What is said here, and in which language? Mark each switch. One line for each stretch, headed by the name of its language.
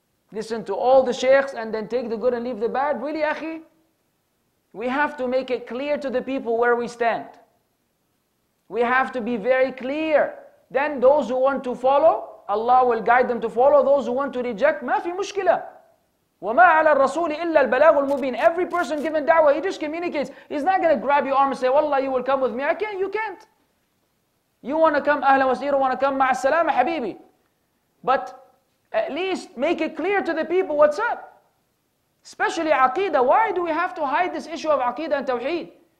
English: Listen to all the sheikhs, and then take the good and leave the bad. Really, akhi? We have to make it clear to the people where we stand. We have to be very clear. Then those who want to follow, Allah will guide them to follow. Those who want to reject,
Arabic: ما في مشكلة. وما على الرسول إلا البلاغ المبين.
English: Every person given da'wah, he just communicates. He's not going to grab your arm and say, والله, you will come with me. I can't, you can't. You want to come,
Arabic: أهلا وسهلا,
English: want to come,
Arabic: مع السلامة, حبيبي.
English: But at least make it clear to the people, what's up? Especially aqeedah. Why do we have to hide this issue of aqeedah and tawheed?